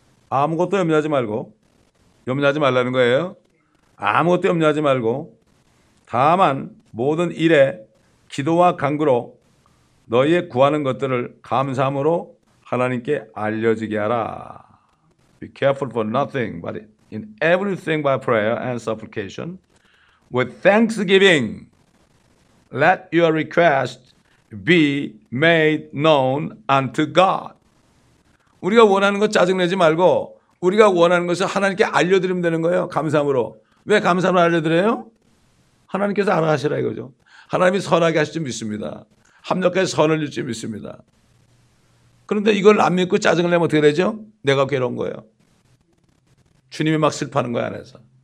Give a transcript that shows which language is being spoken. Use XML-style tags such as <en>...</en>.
<ko>아무것도 염려하지 말고, 염려하지 말라는 거예요. 아무것도 염려하지 말고, 다만 모든 일에 기도와 간구로 너희의 구하는 것들을 감사함으로 하나님께 알려지게 하라.</ko> <en>Be careful for nothing, but in everything by prayer and supplication, with thanksgiving, let your request be made known unto God.</en> <ko>우리가 원하는 거 짜증내지 말고, 우리가 원하는 것을 하나님께 알려드리면 되는 거예요. 감사함으로. 왜 감사함을 알려드려요? 하나님께서 알아하시라 이거죠. 하나님이 선하게 하실 줄 믿습니다. 합력해서 선을 일줄 믿습니다. 그런데 이걸 안 믿고 짜증을 내면 어떻게 되죠? 내가 괴로운 거예요. 주님이 막 슬퍼하는 거예요, 안에서.</ko>